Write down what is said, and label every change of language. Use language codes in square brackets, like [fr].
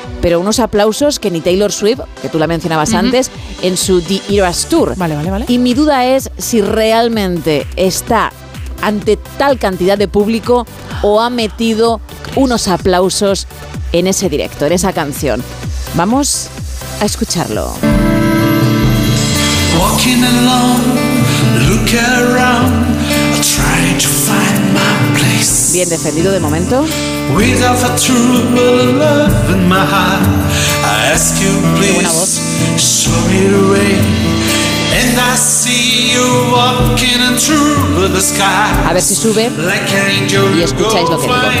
[es] Pero unos aplausos que ni Taylor Swift, que tú la mencionabas antes, en su The Eras Tour. Vale, vale, vale. Y mi duda es si realmente está ante tal cantidad de público o ha metido unos aplausos en ese directo, en esa canción. Vamos a escucharlo. [en] Walking alone, look around, I try to find my place. [es] Bien defendido de momento. [en] Without a true love in my heart, I ask you please show me the way. And I see you walking through the sky. [es] A ver si sube y escucháis lo que digo.